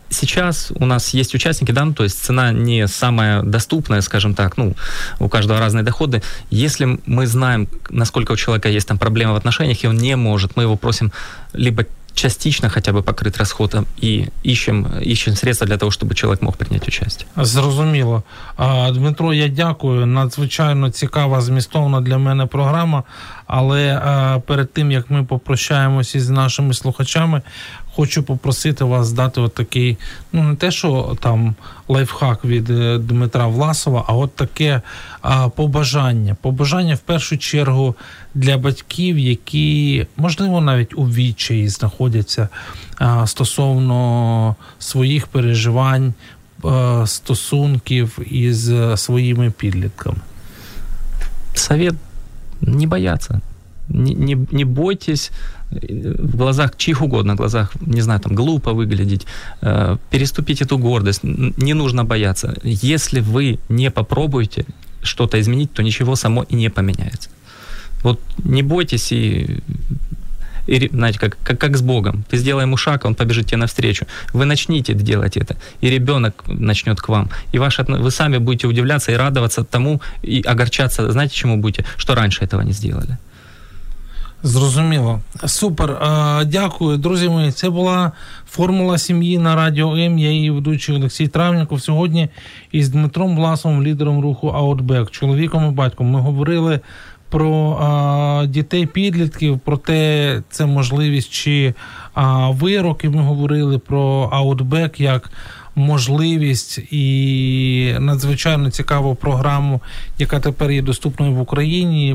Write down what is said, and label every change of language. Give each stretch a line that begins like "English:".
Russian: Сейчас у нас есть участники, да, ну, то есть цена не самая доступная, скажем так, ну, у каждого разные доходы. Если мы знаем, насколько у человека есть там проблемы в отношениях, и он не может, мы его просим либо частично хотя бы покрыть расходом и ищем средства для того, чтобы человек мог принять участие.
Ukrainian: Зрозуміло. Дмитро, я дякую. Надзвичайно цікава, змістовна для мене програма. Але перед тим, як ми попрощаємось із нашими слухачами, хочу попросити вас дати от такий, ну не те, що там лайфхак від Дмитра Власова, а от таке побажання. Побажання, в першу чергу, для батьків, які, можливо, навіть у відчаї знаходяться стосовно своїх переживань, стосунків із своїми підлітками.
Russian: Совет не бояться. Не бойтесь в глазах чьих угодно, в глазах, не знаю, там, глупо выглядеть, переступить эту гордость, не нужно бояться. Если вы не попробуете что-то изменить, то ничего само и не поменяется. Вот не бойтесь и знаете, как с Богом. Ты сделай ему шаг, он побежит тебе навстречу. Вы начните делать это, и ребенок начнет к вам. И вы сами будете удивляться и радоваться тому, и огорчаться, знаете, чему будете, что раньше этого не сделали.
Ukrainian: Зрозуміло. Супер. Дякую, друзі мої. Це була «Формула сім'ї» на Радіо М. Я її ведучий Олексій Травніков. Сьогодні із Дмитром Власовим, лідером руху Outback, чоловіком і батьком. Ми говорили про дітей-підлітків, про те, це можливість чи вирок. І ми говорили про Outback як можливість і надзвичайно цікаву програму, яка тепер є доступною в Україні.